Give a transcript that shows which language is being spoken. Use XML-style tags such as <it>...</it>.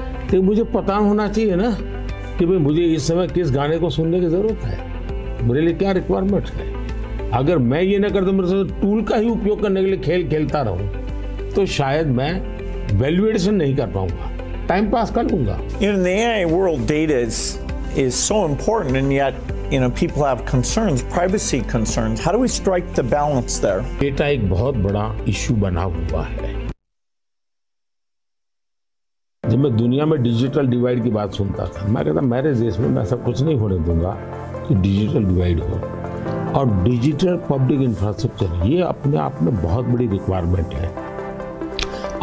<hi>तो मुझे पता होना चाहिए ना कि भाई मुझे इस समय किस गाने को सुनने की ज़रूरत है मेरे लिए क्या रिक्वायरमेंट है। अगर मैं ये ना करता मेरे साथ टूल का ही उपयोग करने के लिए खेल खेलता रहूं तो शायद मैं वैल्यूएशन नहीं कर पाऊंगा टाइम पास कर लूंगा।</hi> <en>In the AI world, data is so important and yet you know people have concerns, privacy concerns. How do we strike the balance there?</en> <hi>Data एक बहुत बड़ा इश्यू बना हुआ है। जब मैं दुनिया में डिजिटल डिवाइड की बात सुनता था मैं कहता मेरे देश में मैं ऐसा कुछ नहीं होने दूंगा कि डिजिटल डिवाइड हो और डिजिटल पब्लिक इंफ्रास्ट्रक्चर ये अपने आप में बहुत बड़ी रिक्वायरमेंट है।</hi>